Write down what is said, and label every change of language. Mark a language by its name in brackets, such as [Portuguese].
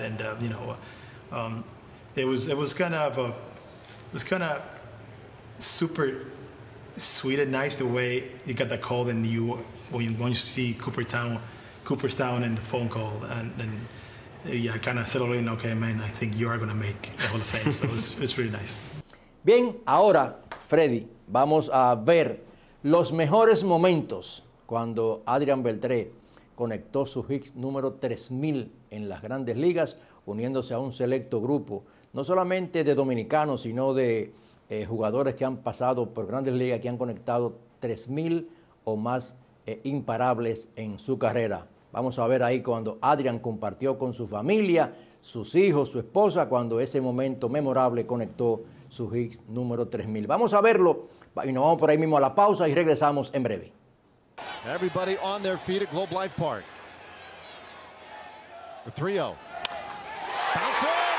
[English] And, you know, it was kind of super sweet and nice the way you got that call, and you when you see Cooperstown and the phone call, and yeah, kind of settled in. Okay, man, I think you are gonna make the Hall of Fame, so it's really nice. [Spanish] Bien, ahora Freddy, vamos a ver los mejores momentos cuando Adrián Beltré conectó su hit número 3000 en las Grandes Ligas, uniéndose a un selecto grupo no solamente de dominicanos sino de jugadores que han pasado por Grandes Ligas, que han conectado 3,000 o más imparables en su carrera. Vamos a ver ahí cuando Adrián compartió con su familia, sus hijos, su esposa, cuando ese momento memorable conectó su hit número 3,000. Vamos a verlo y nos vamos por ahí mismo a la pausa y regresamos en breve. [English] Everybody on their feet at Globe Life Park. The 3-0. Bouncer.